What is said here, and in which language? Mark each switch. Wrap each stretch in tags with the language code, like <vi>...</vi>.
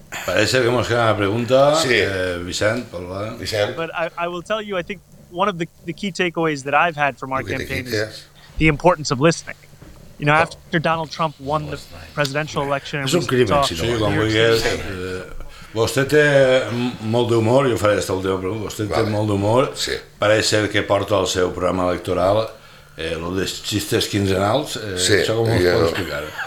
<ca>Parece que hemos quedat una pregunta, sí. Vicent, pel va. Vicent.</ca> <en>But I will tell you, I think one of the key takeaways that I've had from our campaign is the importance of listening. You know, after Donald Trump won the presidential election...</en> <ca>És un crimen, si no. Sí, quan vulguis... Vostè té molt d'humor, jo faré aquesta última pregunta, té molt d'humor, sí. Pareix ser que porta el seu programa electoral, el de xistes quinzenals, sí. Això com ho pot explicar?</ca>